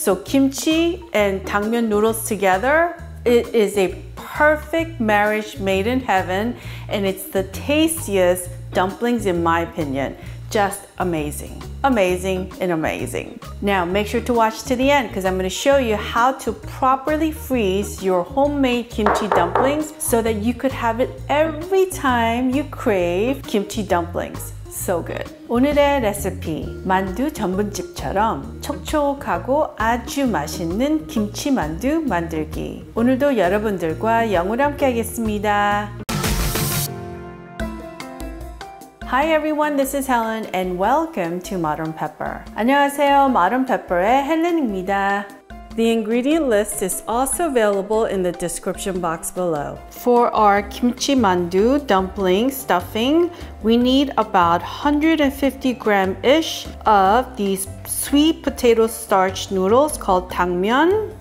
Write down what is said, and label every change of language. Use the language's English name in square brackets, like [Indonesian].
[English] So kimchi and 당면 noodles together, it is a perfect marriage made in heaven, and it's the tastiest dumplings in my opinion. Just amazing. Amazing and amazing. Now make sure to watch to the end because I'm going to show you how to properly freeze your homemade kimchi dumplings so that you could have it every time you crave kimchi dumplings. So good. [Korean] 오늘의 레시피, 만두 전문집처럼 촉촉하고 아주 맛있는 김치만두 만들기. 오늘도 여러분들과 영어로 함께 하겠습니다. [English] Hi everyone, this is Helen and welcome to Modern Pepper. [Korean] 안녕하세요, Modern Pepper의 헬렌입니다. [English] The ingredient list is also available in the description box below. For our kimchi mandu dumpling stuffing, we need about 150 gram-ish of these sweet potato starch noodles called 당면.